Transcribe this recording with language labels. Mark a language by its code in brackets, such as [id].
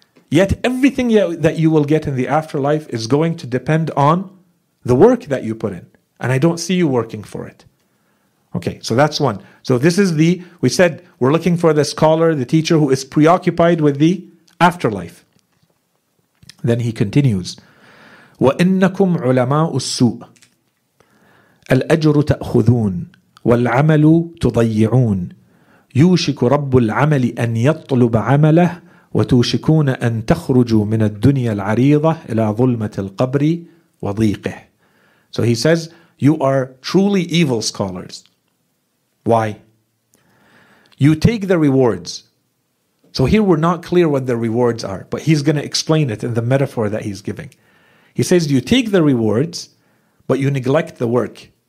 [en] Yet everything that you will get in the afterlife is going to depend on the work that you put in. And I don't see you working for it. Okay, so that's one. So this is the, we said, we're looking for the scholar, the teacher who is preoccupied with the afterlife. Then he continues, [ar] وَإِنَّكُمْ عُلَمَاءُ السُّوءِ الْأَجْرُ تَأْخُذُونَ وَالْعَمَلُ تُضَيِّعُونَ يُوشِكُ رَبُّ الْعَمَلِ أَنْ يَطْلُبَ عَمَلَهُ وَتُوشِكُونَ أَنْ تَخْرُجُوا مِنَ الدُّنْيَا الْعَرِيضَةِ إِلَى ظُلْمَةِ الْقَبْرِ وَضِيقِهِ. [en] So he says, you are truly evil scholars. Why? You take the rewards. So here we're not clear what the rewards are, but he's going to explain it in the metaphor that he's giving. He says, you take the rewards, but you neglect the work.